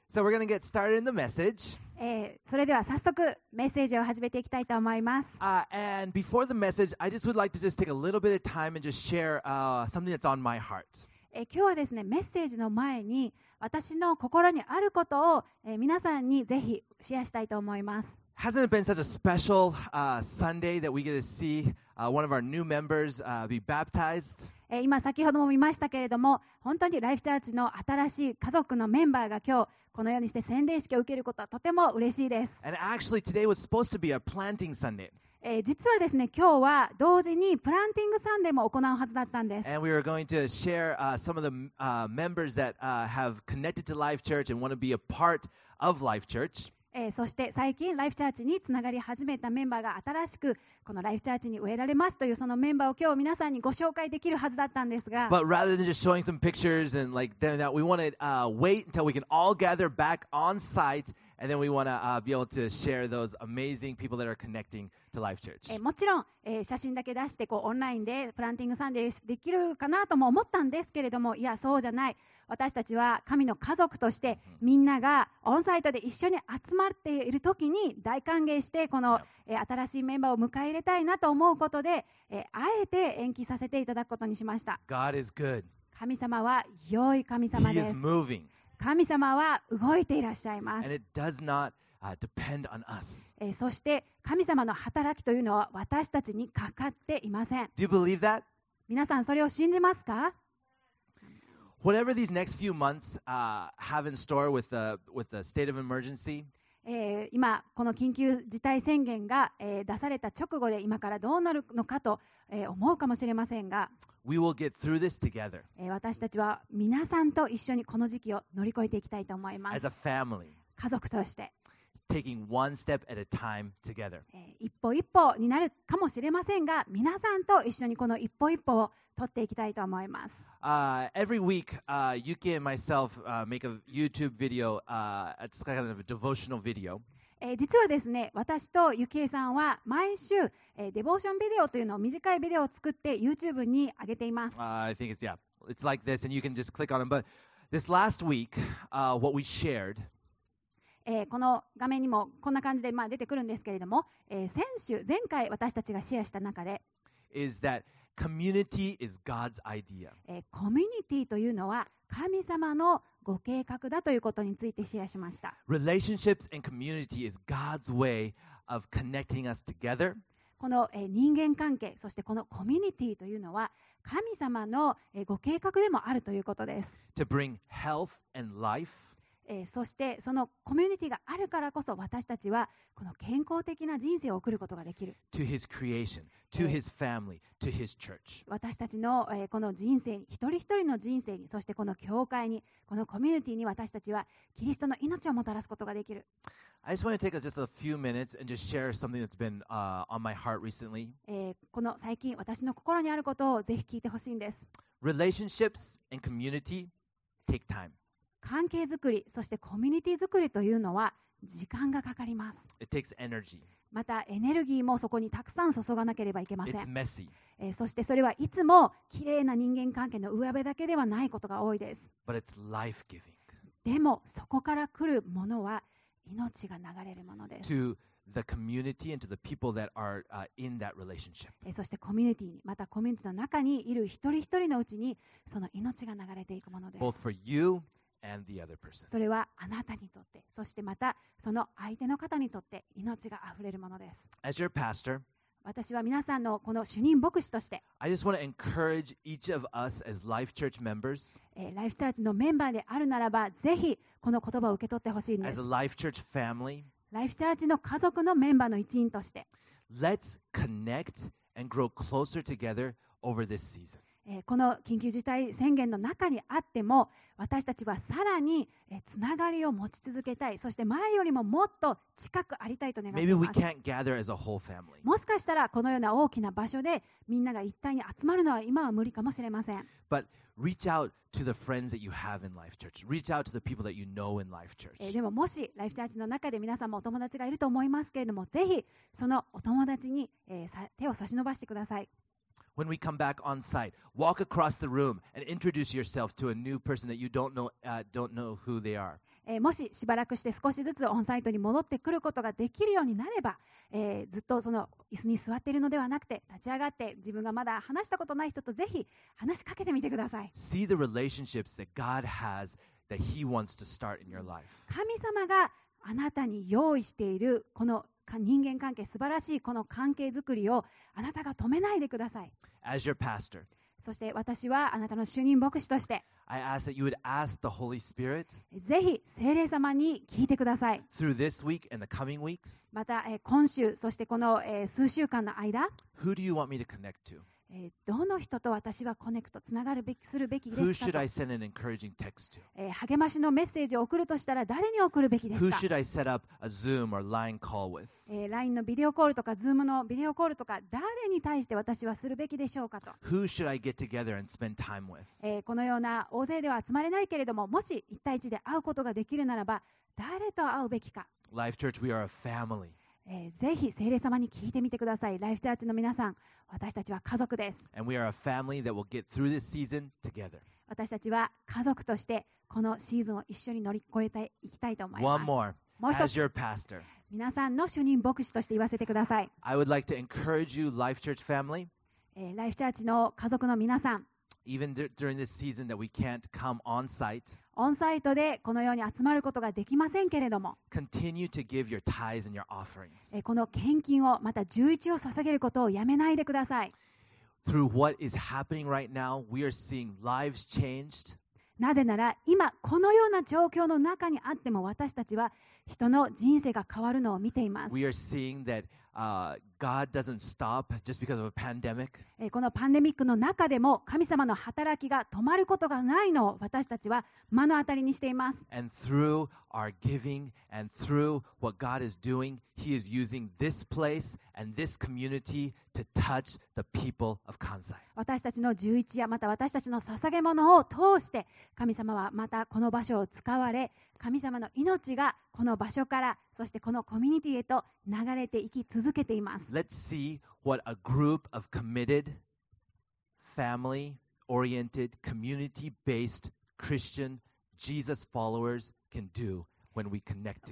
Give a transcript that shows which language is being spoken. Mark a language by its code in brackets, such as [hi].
[en] So we're going to get started in the message. [ja] それでは早速メッセージを始めていきたいと思います。 [en] And before the message, I just would like to just take a little bit of time and just share something that's on my heart. [ja] 今日はですね、メッセージの前に私の心にあることを皆さんにぜひシェアしたいと思います。 [en] Hasn't it been such a special Sunday that we get to see one of our new members be baptized? [ja] 今先ほども見ましたけれども、本当にライフチャーチの新しい家族のメンバーが今日このようにして洗礼式を受けることはとても嬉しいです。 [en] And actually, today was supposed to be a planting Sunday. [ja] 実はですね、今日は同時にプランティングサンデーも行うはずだったんです。 [en] And we were going to share some of the members that have connected to Life Church and want to be a part of Life Church. [ja] そして最近ライフチャーチにつながり始めたメンバーが新しくこのライフチャーチに植えられますというそのメンバーを今日皆さんにご紹介できるはずだったんですが、 [en] But rather than just showing some pictures and like then that, we want to wait until we can all gather back on site and then we want to be able to share those amazing people that are connecting to Life Church. [ja] もちろん、写真だけ出してこうオンラインでプランティングサンデーできるかなとも思ったんですけれども、いやそうじゃない。私たちは神の家族としてみんながオンサイトで一緒に集まっている時に大歓迎してこの新しいメンバーを迎え入れたいなと思うことであえて延期させていただくことにしました。 [en] God is good. [ja] 神様は良い神様です。 [en] He is moving. [ja] 神様は動いていらっしゃいます。 [en] And it does not depend on us. [ja] そして神様の働きというのは私たちにかかっていません。 [en] Do you believe that? [ja] 皆さんそれを信じますか？ [en] Whatever these next few months have in store with the state of emergency, [ja] 今この緊急事態宣言が出された直後で今からどうなるのかと思うかもしれませんが、 [en] we will get through this together. [ja] 私たちは皆さんと一緒にこの時期を乗り越えていきたいと思います。 [en] As a family, [ja] 家族として、 [en] taking one step at a time together. [ja] 一歩一歩になるかもしれませんが、皆さんと一緒にこの一歩一歩を撮っていきたいと思います。 [en] Every week, Yuki and myself make a YouTube video. It's kind of a devotional video. [ja] 実はですね、私とユキエさんは毎週、デボーションビデオというのを短いビデオを作って YouTube に上げています。 [en] I think it's, yeah, it's like this, and you can just click on them. But this last week, what we shared... [ja] この画面にもこんな感じで、まあ、出てくるんですけれども、先週、前回私たちがシェアした中で、 [en] is that community is God's idea. [ja] コミュニティというのは神様のご計画だということについてシェアしました。 [en] Relationships and community is God's way of connecting us together. [ja] この、人間関係、そしてこのコミュニティというのは神様の、ご計画でもあるということです。 [en] To bring health and life. [ja] そしてそのコミュニティがあるからこそ私たちはこの健康的な人生を送ることができる。 [en] To his creation, to his family, to his church. [ja] 私たちの、この人生に、一人一人の人生に、そしてこの教会に、このコミュニティに私たちはキリストの命をもたらすことができる。 [en] I just want to take just a few minutes and just share something that's been on my heart recently. [ja] この最近私の心にあることをぜひ聞いてほしいんです。 [en] Relationships and community take time. [ja] 関係づくり、そしてコミュニティづくりというのは時間がかかります。 [en] It takes energy. [ja] またエネルギーもそこにたくさん注がなければいけません。 [en] It's messy. [ja] そしてそれはいつもきれいな人間関係の上辺だけではないことが多いです。 [en] But it's life-giving. [ja] でもそこから来るものは命が流れるものです。 [en] To the community and to the people that are in that relationship. [ja] そしてコミュニティに、またコミュニティの中にいる一人一人のうちにその命が流れていくものです。 [en] Both for you. And the other person. [ja] それはあなたにとって、そしてまたその相手の方にとって命があふれるものです。 [en] As your pastor, [ja] 私は皆さんのこの主任牧師として、 [en] I just want to encourage each of us as Life Church members, [ja] Life Church のメンバーであるならば、ぜひこの言葉を受け取ってほしいんです。 [en] As a Life Church family, [ja] Life Church の家族のメンバーの一員として、 [en] Let's connect and grow closer together over this season. [ja] この緊急事態宣言の中にあっても私たちはさらにつながりを持ち続けたい、そして前よりももっと近くありたいと願っています [en] 。 Maybe we can't gather as a whole family. [ja] もしかしたらこのような大きな場所でみんなが一体に集まるのは今は無理かもしれません。 [en] But reach out to the friends that you have in Life Church. Reach out to the people that you know in Life Church. [ja] でももしLife Churchの中で皆さんもお友達がいると思いますけれども、ぜひそのお友達に手を差し伸ばしてください。 [en] when we come back on site, walk across the room and introduce yourself to a new person that you don't know who they are. [ja] もししばらくして少しずつオンサイトに戻ってくることができるようになれば、ずっとその椅子に座っているのではなくて立ち上がって自分がまだ話したことない人とぜひ話しかけてみてください。 [en] See the relationships that God has that He wants to start in your life. [ja] 神様があなたに用意しているこの人間関係、素晴らしいこの関係づくりをあなたが止めないでください。 [en] As your pastor. [ja] そして私はあなたの主任牧師としてぜひ聖霊様に聞いてください。 [en] Through this week and the coming weeks, [ja] また今週そしてこの数週間の間 [en] Who do you want me to connect to? [ja] どの人と私はコネクトつながるべきするべきですか。 [en] Who should I send an encouraging text to? [ja] 励ましのメッセージを送るとしたら誰に送るべきですか。 [en] Who should I set up a Zoom or LINE call with? [ja] LINE のビデオコールとか Zoom のビデオコールとか誰に対して私はするべきでしょうかと。 [en] Who should I get together and spend time with? [ja] このような大勢では集まれないけれどももし一対一で会うことができるならば誰と会うべきか。 [en] Life Church, we are a family. [ja] ぜひ聖霊様に聞いてみてください。ライフチャーチの皆さん、私たちは家族です。 [en] And we are a family that will get through this season together. [ja] 私たちは家族としてこのシーズンを一緒に乗り越えていきたいと思います。 [en] One more. [ja] もう一つ。 [en] As your pastor, [ja] 皆さんの主任牧師として言わせてください。 [en] I would like to encourage you, Life Church family. [ja] ライフチャーチの家族の皆さん。 [en] Even during this season that we can't come on site. [ja] オンサイトでこのように集まることができませんけれども [en] Continue to give your tithes and your offerings. [ja] この献金をまた十一を捧げることをやめないでください。 [en] Through what is happening right now, we are seeing lives changed. [ja] なぜなら今このような状況の中にあっても私たちは人の人生が変わるのを見ています。 [en] We are seeing thatGod doesn't stop just because of a pandemic. [ja] このパンデミックの中でも神様の働きが止まることがないのを私たちは目の当たりにしています。 [en] And through our giving and through what God is doing, He is using this place and this community to touch the people of Kansai. [ja] 私たちの十一夜また私たちの捧げ物を通して神様はまたこの場所を使われ神様の命がこの場所からそしてこのコミュニティへと流れていき続けています。 [en] Let's see what a group of committed family oriented community based Christian Jesus followers can do when we connect together.